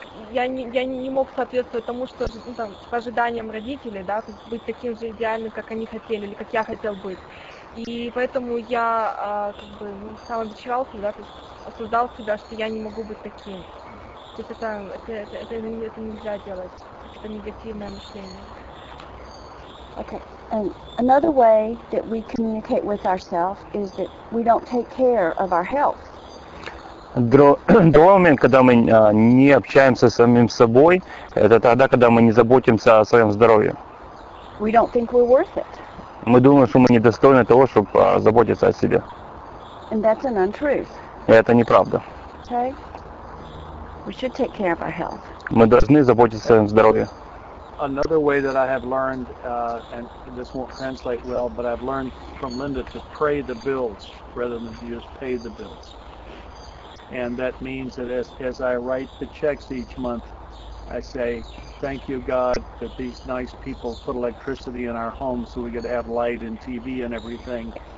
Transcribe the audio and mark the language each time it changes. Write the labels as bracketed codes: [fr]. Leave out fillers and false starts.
[ru] Я не мог соответствовать тому, что по ожиданиям родителей, да, быть таким же идеальным, как они хотели или как я хотел быть. И поэтому я самобичевался, да, осуждал себя, что я не могу быть таким. То есть это нельзя делать. Это негативное мышление. [en] Okay. And another way that we communicate with ourselves is that we don't take care of our health. [ru] Другой момент, когда мы не общаемся с самим собой, это тогда, когда мы не заботимся о своем здоровье. [en] We don't think we're worth it. [ru] Мы думаем, что мы недостойны того, чтобы заботиться о себе. [en] And that's an untruth. [ru] И это неправда. [en] Okay. We should take care of our health. [ru] Мы должны заботиться о своем здоровье. [en] Another way that I have learned, and this won't translate well, but I've learned from Linda to pray the bills rather than just pay the bills. And that means that as I write the checks each month, I say, thank you, God, that these nice people put electricity in our home so we could have light and TV and everything.